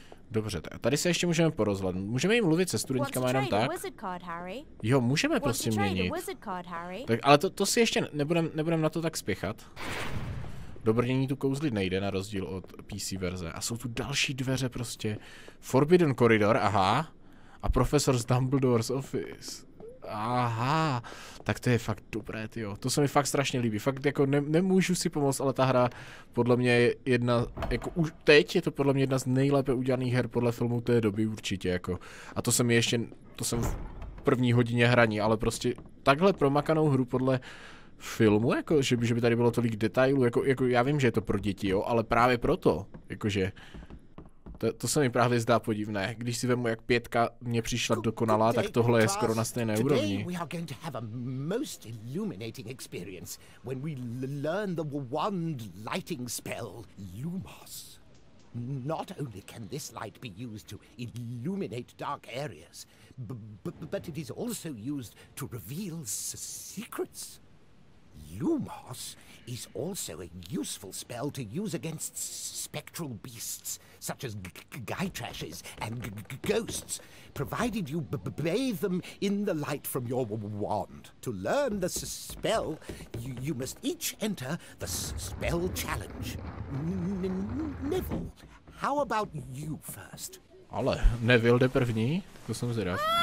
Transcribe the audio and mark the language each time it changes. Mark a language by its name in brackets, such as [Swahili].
[Czech] Dobře, tady se ještě můžeme porozhlednout. Můžeme jim mluvit se studentkama jenom tak? Jo, můžeme prostě měnit. Tak, ale to si ještě nebudem na to tak spěchat. Dobrnění tu kouzlit nejde, na rozdíl od PC verze. A jsou tu další dveře prostě. [English] Forbidden Corridor, aha. A Professor's Dumbledore's Office. [Czech] Aha, tak to je fakt dobré, tyjo. To se mi fakt strašně líbí. Fakt jako nemůžu si pomoct, ale ta hra podle mě je jedna, jako už teď je to podle mě jedna z nejlépe udělaných her podle filmu té doby určitě, jako. A to jsem ještě, to jsem v první hodině hraní, ale prostě takhle promakanou hru podle filmu, jako, že by tady bylo tolik detailů, jako já vím, že je to pro děti, jo, ale právě proto, jakože... To se mi právě zdá podivné. Když si vemu, jak pětka mě přišla dokonalá, tak tohle je skoro na stejné úrovni. [English] Today we are going to have a most illuminating experience when we learn the wand lighting spell Lumos. Not only can this light be used to illuminate dark areas, but it is also used to reveal secrets. Lumos is also a useful spell to use against spectral beasts, such as guytrashes and ghosts, provided you bathe them in the light from your wand. To learn the spell, you must each enter the spell challenge. Neville, how about you first? [Czech] Ale, Neville jde první, to jsem zvědav.